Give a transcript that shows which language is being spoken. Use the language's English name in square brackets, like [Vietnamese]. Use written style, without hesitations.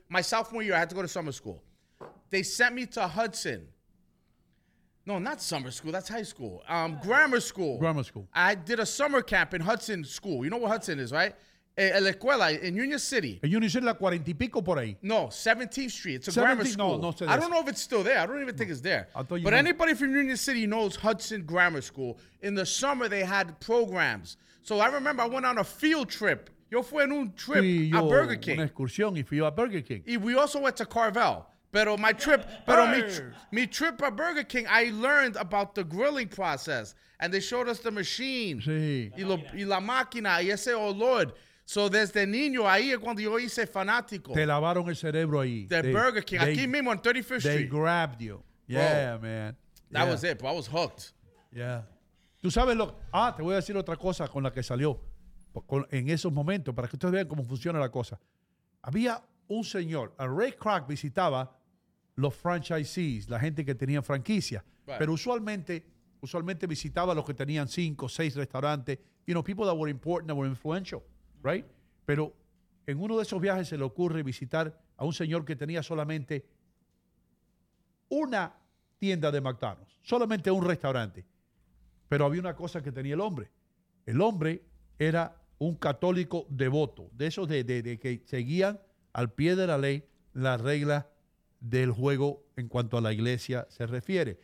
[English] My sophomore year, I had to go to summer school. They sent me to Hudson. No, not summer school. That's high school. Grammar school. Grammar school. I did a summer camp in Hudson School. You know what Hudson is, right? [Spanish] La escuela [English] in Union City. [Spanish] En Union City, la 40 y pico por ahí. [English] No, 17th Street. It's a grammar school. No, I don't know if it's still there. I don't even think it's there. Anybody from Union City knows Hudson Grammar School. In the summer, they had programs. So I remember I went on a field trip. [Spanish] Yo fui en un trip a Burger King. Una excursión y fui yo a Burger King. [English] Y we also went to Carvel. Pero my trip, mi trip at Burger King, I learned about the grilling process, and they showed us the machine. [Spanish] Sí. Y la máquina, y ese olor. So desde niño, ahí es cuando yo hice fanático. Te lavaron el cerebro ahí. Burger King, aquí mismo en 35th Street. [English] They grabbed you. Yeah, bro, man. That was it, bro. I was hooked. [Spanish] Yeah. Tú sabes lo... te voy a decir otra cosa con la que salió en esos momentos, para que ustedes vean cómo funciona la cosa. Había... un señor, a Ray Kroc visitaba los franchisees, la gente que tenía franquicia. Right. Pero usualmente visitaba los que tenían 5 o 6 restaurantes. [English] You know, people that were important, that were influential, right? [Spanish] Pero en uno de esos viajes se le ocurre visitar a un señor que tenía solamente una tienda de McDonald's, solamente un restaurante. Pero había una cosa que tenía el hombre. El hombre era un católico devoto, de esos de que seguían al pie de la ley, la regla del juego en cuanto a la iglesia se refiere.